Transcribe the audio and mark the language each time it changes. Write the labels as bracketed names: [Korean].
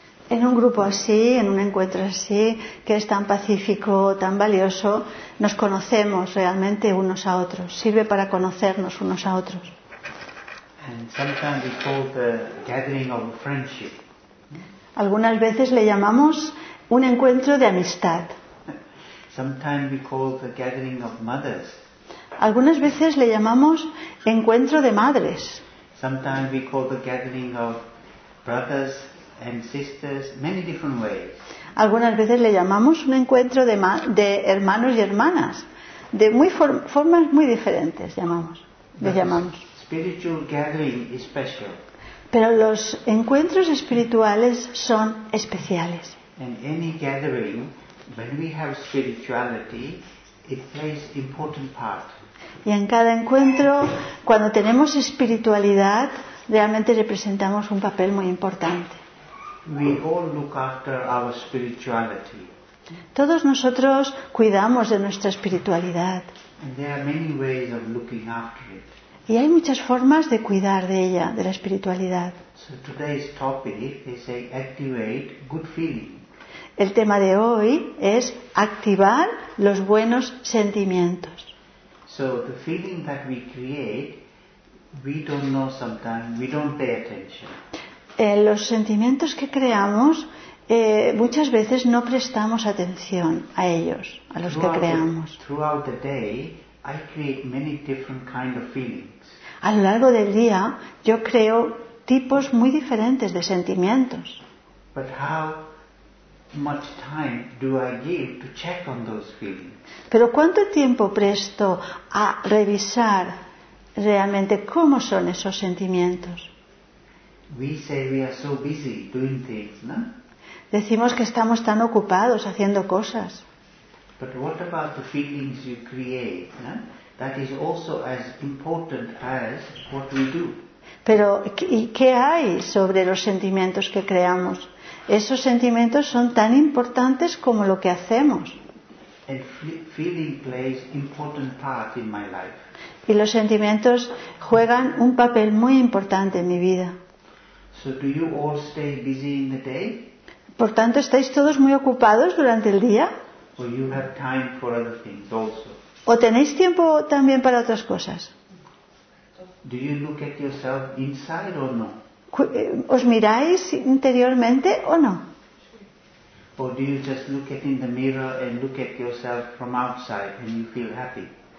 [Spanish] En un grupo así, en un encuentro así, que es tan pacífico, tan valioso, nos conocemos realmente unos a otros. Sirve para conocernos unos a otros. [English] And sometimes we call the gathering of friendship. [Spanish] Algunas veces le llamamos un encuentro de amistad. [English] Sometimes we call the gathering of mothers. [Spanish] Algunas veces le llamamos encuentro de madres. [English] Sometimes we call the gathering of brothers and sisters, many different ways. [Spanish] Algunas veces le llamamos un encuentro de hermanos y hermanas, de muy formas muy diferentes llamamos. [English] Spiritual gathering is special. [Spanish] Pero los encuentros espirituales son especiales. [English] And any gathering, when we have spirituality, it plays important part. [Spanish] Y en cada encuentro, cuando tenemos espiritualidad, realmente representamos un papel muy importante. [English] We all look after our spirituality. [Spanish] Todos nosotros cuidamos de nuestra espiritualidad. [English] And there are many ways of looking after it. [Spanish] Y hay muchas formas de cuidar de ella, de la espiritualidad. [English] So today's topic is a activate good feeling. [Spanish] El tema de hoy es activar los buenos sentimientos. [English] So the feeling that we create, we don't know sometimes, we don't pay attention. [Spanish] Los sentimientos que creamos, muchas veces no prestamos atención a ellos, a los que creamos. [English] Throughout the day, I create many different kind of feelings. [Spanish] A lo largo del día, yo creo tipos muy diferentes de sentimientos. [English] But how much time do I give to check on those feelings? [Spanish] Pero ¿cuánto tiempo presto a revisar realmente cómo son esos sentimientos? [English] We say we are so busy doing things, no? [Spanish] Decimos que estamos tan ocupados haciendo cosas. [English] But what about the feelings you create, no? That is also as important as what we do. [Spanish] Pero ¿y qué hay sobre los sentimientos que creamos? Esos sentimientos son tan importantes como lo que hacemos. [English] And feeling plays important part in my life. [Spanish] Y los sentimientos juegan un papel muy importante en mi vida. [English] So do you all stay busy in the day? [Spanish] Por tanto, ¿estáis todos muy ocupados durante el día? [English] Or you have time for other things also? [Spanish] ¿O tenéis tiempo también para otras cosas? [English] Do you look at yourself inside or no? [Spanish] ¿Os miráis interiormente o no? [English] Or do you just look at in the mirror and look at yourself from outside and you feel happy?